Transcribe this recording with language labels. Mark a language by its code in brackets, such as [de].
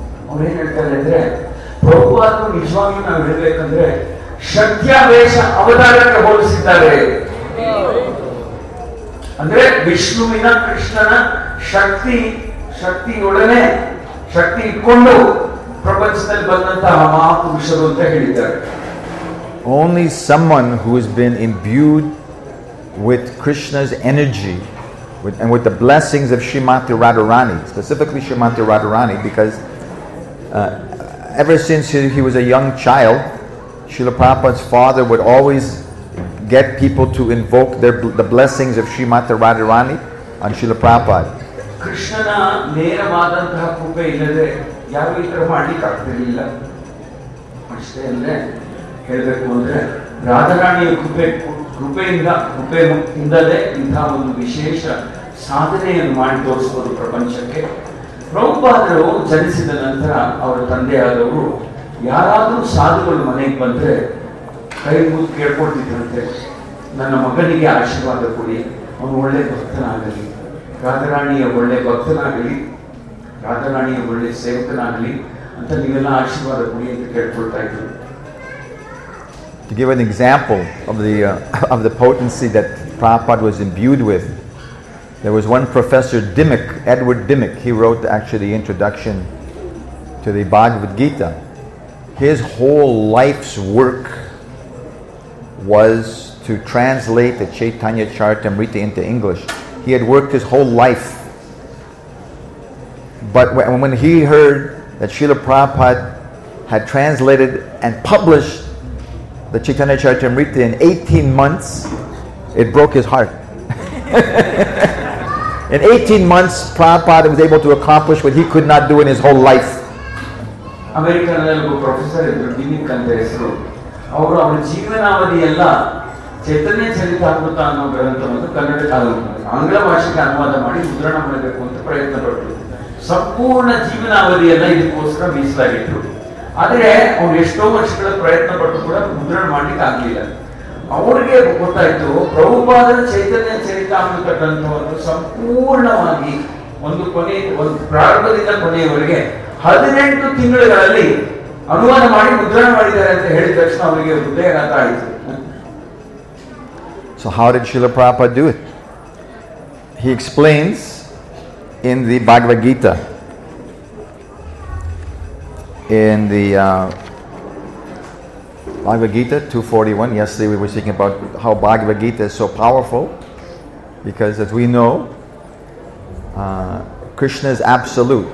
[kn] ಅವ್ರು ಏನ್ ಹೇಳ್ತಾರೆ ಅಂದ್ರೆ, ಪ್ರಭುಪಾದರು ನಿಜವಾಗ್ಲೂ ನಾವು ಹೇಳ್ಬೇಕಂದ್ರೆ ಶಕ್ತಿಯ ವೇಷ ಅವತಾರಕ್ಕೆ ಹೋಲಿಸಿದ್ದಾರೆ. ಅಂದ್ರೆ ವಿಷ್ಣುವಿನ ಕೃಷ್ಣನ ಶಕ್ತಿ, ಶಕ್ತಿಯೊಡನೆ ಶಕ್ತಿ ಇಟ್ಕೊಂಡು ಪ್ರಪಂಚದಲ್ಲಿ ಬಂದಂತಹ ಮಹಾಪುರುಷರು ಅಂತ ಹೇಳಿದ್ದಾರೆ. [en] Only someone who has been imbued with Krishna's energy and with the blessings of Srimati Radharani, specifically Srimati Radharani, because ever since he was a young child, Srila Prabhupada's father would always get people to invoke the blessings of Srimati Radharani on Srila Prabhupada. [kn] Krishna nera madantha kupe illade yaru itra maadi kattirilla ashte alle ಹೇಳ್ಬೇಕು ಅಂದ್ರೆ, ರಾಧಾರಾಣಿಯ ಕೃಪೆ ಕೃಪೆಯಿಂದ ಕೃಪೆ ಇಂದಲೇ ಇಂತಹ ಒಂದು ವಿಶೇಷ ಸಾಧನೆಯನ್ನು ಮಾಡಿ ತೋರಿಸ್ಬೋದು ಪ್ರಪಂಚಕ್ಕೆ. ಪ್ರಭುಪಾದರು ಜನಿಸಿದ ನಂತರ ಅವರ ತಂದೆಯಾದವರು ಯಾರಾದರೂ ಸಾಧುಗಳು ಮನೆಗೆ ಬಂದ್ರೆ ಕೈ ಮುಗಿದು ಕೇಳ್ಕೊಳ್ತಿದ್ರಂತೆ, ನನ್ನ ಮಗನಿಗೆ ಆಶೀರ್ವಾದ ಕೊಡಿ, ಅವನು ಒಳ್ಳೆ ಭಕ್ತನಾಗಲಿ, ರಾಧಾರಾಣಿಯ ಒಳ್ಳೆ ಭಕ್ತನಾಗಲಿ, ರಾಧಾರಾಣಿಯ ಒಳ್ಳೆ ಸೇವಕನಾಗಲಿ ಅಂತ ನೀವೆಲ್ಲ ಆಶೀರ್ವಾದ ಕೊಡಿ ಅಂತ ಕೇಳ್ಕೊಳ್ತಾ ಇದ್ರು. [en] To give an example of the potency that Prabhupada was imbued with, there was one professor, Dimmick, Edward Dimmick. He wrote actually the introduction to the Bhagavad Gita. His whole life's work was to translate the Chaitanya Charitamrita into English. He had worked his whole life. But when he heard that Srila Prabhupada had translated and published the Chaitanya Charitamrita in 18 months, it broke his heart. In 18 months, Prabhupada was able to accomplish what he could not do in his whole life. American professor [kn] Dimmick ಅಂತ ಹೆಸರು. ಅವರು ಅವರ ಜೀವನಾವಧಿ ಎಲ್ಲ ಚೈತನ್ಯ ಚರಿತಾಮೃತ ಅನ್ನೋ ಗ್ರಂಥವನ್ನು ಕನ್ನಡದಲ್ಲಿ ಆಂಗ್ಲ ಭಾಷೆಗೆ ಅನುವಾದ ಮಾಡಿ ಮುದ್ರಣ ಮಾಡಬೇಕು ಅಂತ ಪ್ರಯತ್ನ ಪಟ್ಟರು. ಸಂಪೂರ್ಣ ಜೀವನಾವಧಿ ಎಲ್ಲ ಇದಕ್ಕೋಸ್ಕರ ಮೀಸಲಾಗಿಟ್ರು. ಆದರೆ ಅವ್ರು ಎಷ್ಟೋ ವರ್ಷಗಳ ಪ್ರಯತ್ನ ಪಟ್ಟು ಕೂಡ ಮುದ್ರಣ ಮಾಡಲಿಕ್ಕೆ ಆಗಲಿಲ್ಲ. ಅವರಿಗೆ ಗೊತ್ತಾಯಿತು, ಪ್ರಭುಪಾದರ ಚೈತನ್ಯ ಚರಿತಾಮೃತ ಗ್ರಂಥವನ್ನು ಸಂಪೂರ್ಣವಾಗಿ ಒಂದು ಕೊನೆ ಒಂದು ಪ್ರಾರಂಭದಿಂದ ಕೊನೆಯವರೆಗೆ 18 ತಿಂಗಳುಗಳಲ್ಲಿ ಅನುವಾದ ಮಾಡಿ ಮುದ್ರಣ ಮಾಡಿದ್ದಾರೆ ಅಂತ ಹೇಳಿದ ತಕ್ಷಣ ಅವರಿಗೆ ಹೃದಯಾಘಾತ ಆಯಿತು. [en] So how did Srila Prabhupada do it? He explains in the Bhagavad Gita, in the Bhagavad Gita 241, yesterday we were speaking about how Bhagavad Gita is so powerful, because as we know, Krishna is absolute.